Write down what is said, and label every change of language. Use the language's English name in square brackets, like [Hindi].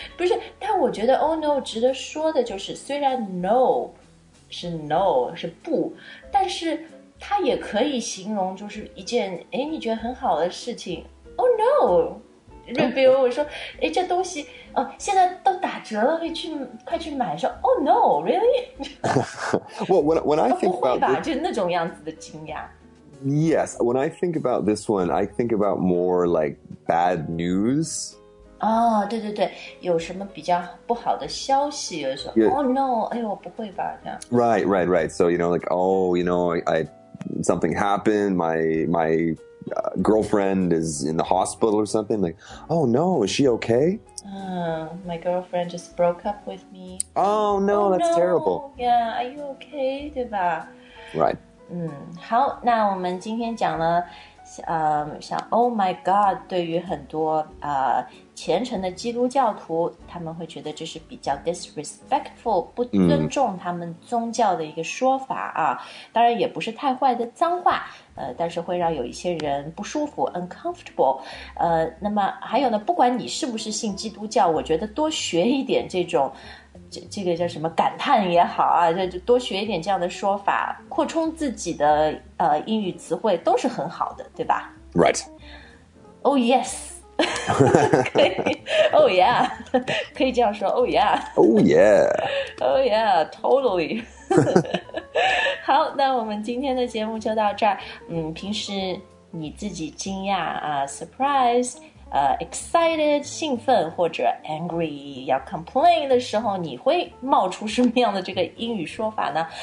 [Chinese] 不是，但我觉得 [English] oh no [Chinese] 值得说的就是，虽然 no 是 no 是不，但是它也可以形容就是一件哎你觉得很好的事情。 [English] Oh no。 [Chinese] 比如我说哎，这东西、现在都打折了，可以去快去买，说 [English] Oh no, really? Well, when I think about this, [Chinese] 就那种样子的惊讶。 [English] Yes, when I think about this one, I think about more like bad news. [Chinese] Oh, 对对对，有什么比较不好的消息，就说 [English] Yeah. Oh no, [Chinese] 哎呦，不会吧，这样。 [English] Right, right, right. So, you know, like, oh, you know, I something happened, my girlfriend is in the hospital or something, like, oh no, is she okay? My girlfriend just broke up with me. Oh no, oh, that's no. terrible. Yeah, are you okay? [Chinese] 对吧？ [English] Right. [Chinese] 嗯，好，那我们今天讲了，像 [English] oh my god, [Chinese] 对于很多虔诚的基督教徒，他们会觉得这是比较 disrespectful, 不尊重他们宗教的一个说法啊。当然也不是太坏的脏话，但是会让有一些人不舒服 uncomfortable。那么还有呢，不管你是不是信基督教，我觉得多学一点这种这个叫什么感叹也好啊，就多学一点这样的说法，扩充自己的英语词汇都是很好的，对吧？ [English] Right. Oh yes. [Chinese] 可以 [English] oh yeah, [Chinese] 可以这样说 oh yeah, [English] oh yeah, oh yeah, totally. [Chinese] 好，那我们今天的节目就到这儿。嗯，平时你自己惊讶啊、 [English] surprised, excited, [Chinese] 兴奋或者 angry, 要 complain 的时候，你会冒出什么样的这个英语说法呢？